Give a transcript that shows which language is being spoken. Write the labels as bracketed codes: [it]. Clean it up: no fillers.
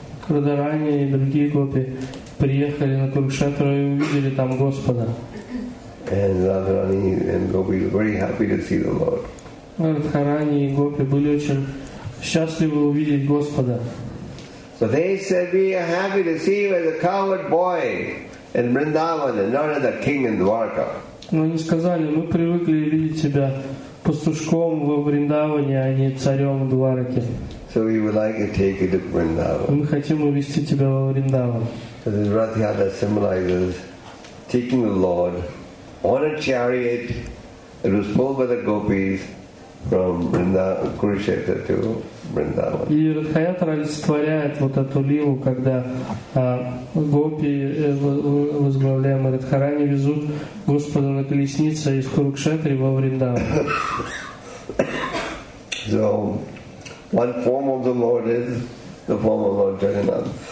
[ru] Радхарани и другие гопи приехали на Курукшетру и увидели там Господа. Радхарани и гопи были очень счастливы увидеть Господа. [en] So they said, we are happy to see you as a coward boy in Vrindavan and not as a king in Dwarka. [ru] Но они сказали, мы привыкли видеть тебя пастушком во Вриндаване, а не царем в Двараке. [en] So we would like to take you to Vrindavan. [ru] Мы хотим увести тебя во Вриндаван. [en] Because the Ratha-yatra symbolizes taking the Lord on a chariot that was pulled by the gopis from Kurukshetra to [ru] И Радхаятра олицетворяет вот эту лилу, когда гопи, возглавляемые Радхарани, везут Господа на колеснице из Курукшетры во Вриндаван. [en] So, one form of the Lord is the form of Lord Jagannath.